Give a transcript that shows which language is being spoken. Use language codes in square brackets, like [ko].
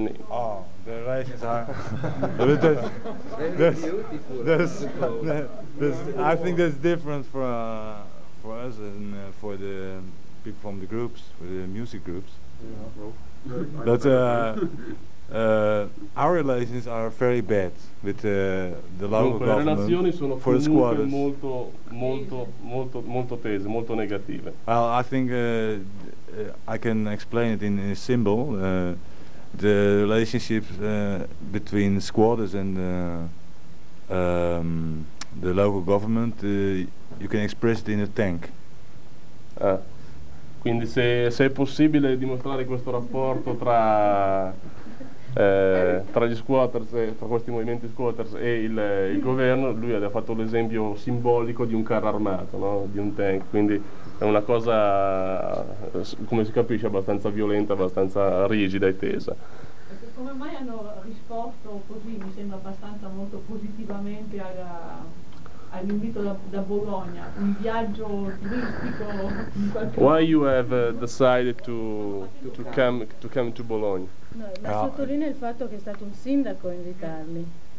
[en] Oh, the relations are I think that's different for us and for the people from the groups, for the music groups. But our relations are very bad with the local government. [it] Le relazioni sono for comunque molto molto molto molto tese, molto negative. [en] Well, I think I can explain it in a symbol. The relationships between squatters and the local government, you can express it in a tank. [it] Quindi se è possibile dimostrare questo rapporto tra tra gli squatters, tra questi movimenti squatters e il governo, lui ha fatto l'esempio simbolico di un carro armato, no? Di un tank, quindi è una cosa, come si capisce, abbastanza violenta, abbastanza rigida e tesa. Come mai hanno risposto così, mi sembra abbastanza molto positivamente all'invito da Bologna, un viaggio turistico in qualche [en] modo? Why you have decided to come to Bologna? [it] No, sottolinea il fatto che è stato un sindaco a invitarmi.